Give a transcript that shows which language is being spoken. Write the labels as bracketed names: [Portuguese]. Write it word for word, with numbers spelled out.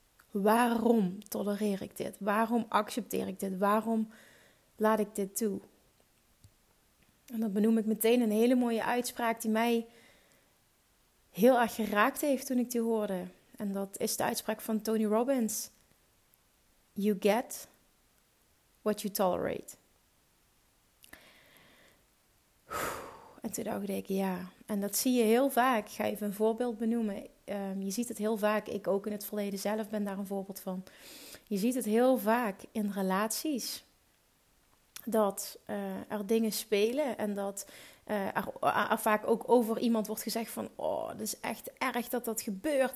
[Dutch] Waarom tolereer ik dit? Waarom accepteer ik dit? Waarom laat ik dit toe? En dan benoem ik meteen een hele mooie uitspraak die mij heel erg geraakt heeft toen ik die hoorde. En dat is de uitspraak van Tony Robbins. [English] You get what you tolerate. [Dutch] En toen dacht ik, ja, en dat zie je heel vaak. Ik ga even een voorbeeld benoemen. Um, je ziet het heel vaak, ik ook in het verleden zelf ben daar een voorbeeld van. Je ziet het heel vaak in relaties. Dat uh, er dingen spelen en dat uh, er, er, er vaak ook over iemand wordt gezegd van, oh, dat is echt erg dat dat gebeurt.